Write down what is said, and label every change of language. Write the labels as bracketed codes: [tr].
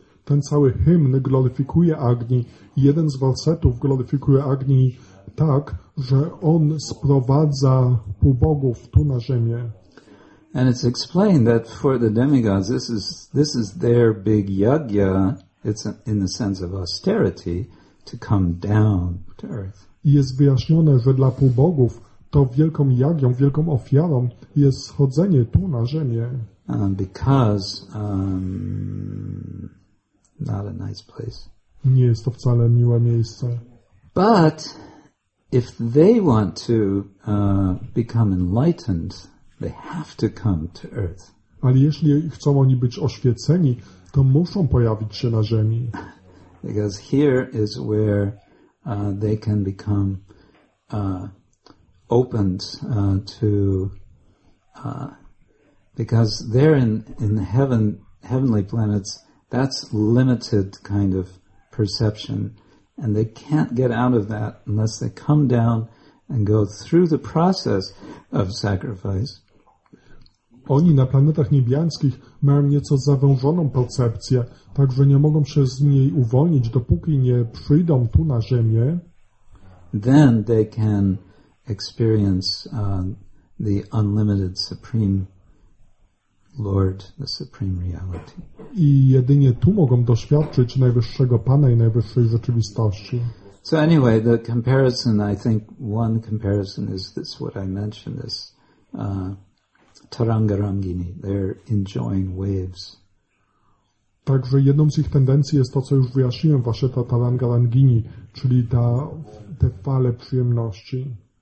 [pl] Ten cały hymn gloryfikuje Agni. Jeden z wersetów gloryfikuje Agni tak, że on sprowadza półbogów tu na ziemię. [en] And it's explained that for the demigods, this is their big yagya. It's in the sense of austerity to come down to earth. [pl] Jest wyjaśnione, że dla półbogów to wielką jagią, wielką ofiarą jest schodzenie tu na ziemię. [en] Because not a nice place. [pl] Nie jest to wcale miłe miejsce. [en] But if they want to become enlightened, they have to come to earth. [pl] Ale jeśli chcą oni być oświeceni, to muszą pojawić się na ziemi. [en] Because here is where they can become opened to because there in the heavenly planets, that's limited kind of perception, and they can't get out of that unless they come down and go through the process of sacrifice. [pl] Oni na planetach niebiańskich mają nieco zawężoną percepcję, także nie mogą się z niej uwolnić, dopóki nie przyjdą tu na Ziemię. [en] Then they can experience the unlimited supreme Lord, the supreme reality. [pl] I jedynie tu mogą doświadczyć najwyższego Pana i najwyższej rzeczywistości. [en] So anyway, the comparison, I think one comparison is this, what I mentioned, this Tarangarangini, they're enjoying waves. [pl] Także jedną z ich tendencji jest to, co już wyjaśniłem, właśnie ta Tarangarangini, czyli te fale przyjemności.